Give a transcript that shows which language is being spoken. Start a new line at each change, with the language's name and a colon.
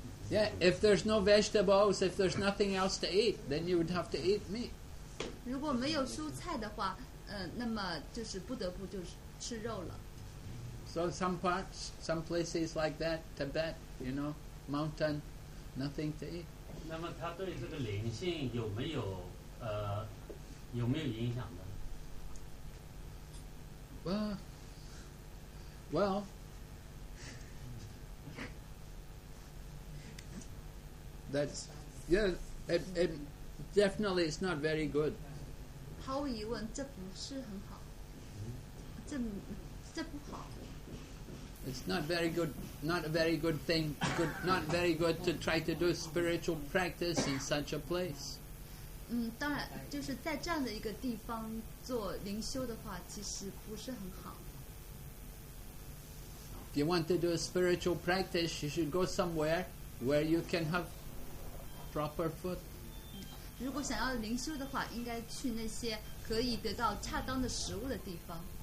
English: Yeah, if there's no vegetables if there's nothing else to eat then you would have to eat meat
Chinese: 如果没有蔬菜的话、那么就是不得不就是吃肉了
English: So some parts, some places like that, Tibet, you know, mountain, nothing to eat.
Chinese: 那么它对这个灵性有没有有没有影响的
English: Well, that's yeah. It definitely it's not very good.
Chinese: 毫无疑问，这不是很好。这不好。
English: It's not very good, not a very good thing, good, not very good to try to do spiritual practice in such a place.
Chinese: 当然，就是在这样的一个地方做灵修的话，其实不是很好。
English: If you want to do a spiritual practice, you should go somewhere where you can have proper food.
Chinese: 如果想要灵修的话，应该去那些可以得到恰当的食物的地方。